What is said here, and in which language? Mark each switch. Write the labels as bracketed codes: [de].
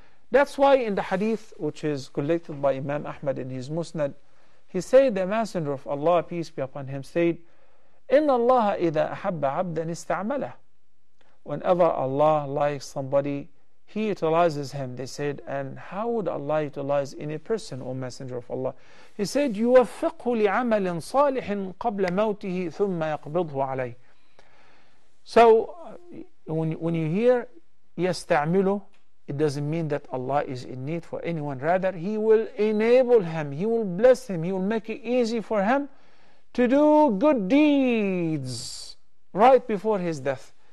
[en] That's why in the hadith, which is collected by Imam Ahmad in his Musnad, he said, the Messenger of Allah, peace be upon him, said, [ar] إِنَّ اللَّهَ إِذَا أَحَبَّ عَبْدًا إِسْتَعْمَلَهُ. [en] Whenever Allah likes somebody, He utilizes him. They said, and how would Allah utilize any person, O Messenger of Allah? He said, [ar] يُوَفِّقْهُ لِعَمَلٍ صَالِحٍ قَبْلَ مَوْتِهِ ثُمَّ يَقْبِضْهُ عَلَيْهِ. [en] So, when you hear يستعمله, it doesn't mean that Allah is in need for anyone. Rather, He will enable him, He will bless him, He will make it easy for him to do good deeds right before his death.